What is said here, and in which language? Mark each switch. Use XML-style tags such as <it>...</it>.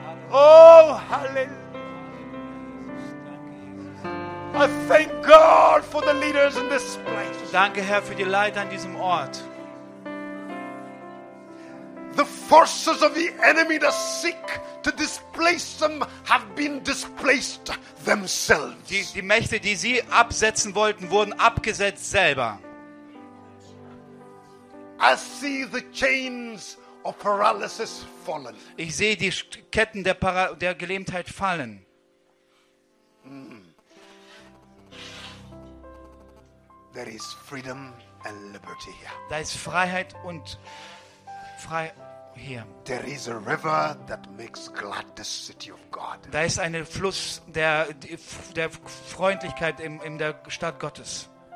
<en>Oh, hallelujah. I thank God for the leaders in this place.</en> <de>Danke, Herr, für die Leiter an diesem Ort.</de> <en>The forces of the enemy that seek to displace them have been displaced themselves.</en> <de>Die Mächte, die sie absetzen wollten, wurden abgesetzt selber.</de> <en>I see the chains of paralysis fallen.</en> <de>Ich sehe die Ketten der Gelähmtheit fallen. Mm.</de> <en>There is freedom and liberty here.</en> <de>Da ist Freiheit und frei hier.</de> <en>There is a river that makes glad the city of God.</en> <de>Da ist ein Fluss der Freundlichkeit in der Stadt Gottes.</de>